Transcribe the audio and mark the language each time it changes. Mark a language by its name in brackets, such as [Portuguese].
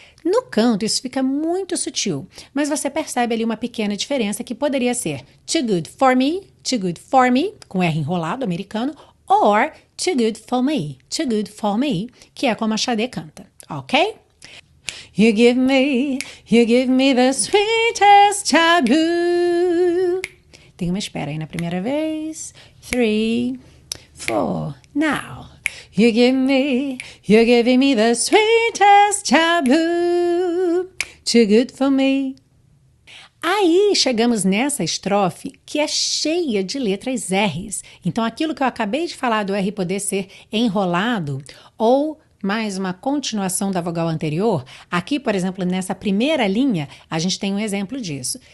[Portuguese] No canto, isso fica muito sutil, mas você percebe ali uma pequena diferença que poderia ser [English] too good for me, [Portuguese] com R enrolado, americano, [English] or too good for me, [Portuguese] que é como a Sade canta, ok? [English] You give me the sweetest taboo. [Portuguese] Tem uma espera aí na primeira vez. [English] Three, four, now. You give me the sweetest taboo, too good for me. [Portuguese] Aí chegamos nessa estrofe que é cheia de letras R's. Então, aquilo que eu acabei de falar do R poder ser enrolado ou mais uma continuação da vogal anterior, aqui, por exemplo, nessa primeira linha, a gente tem um exemplo disso.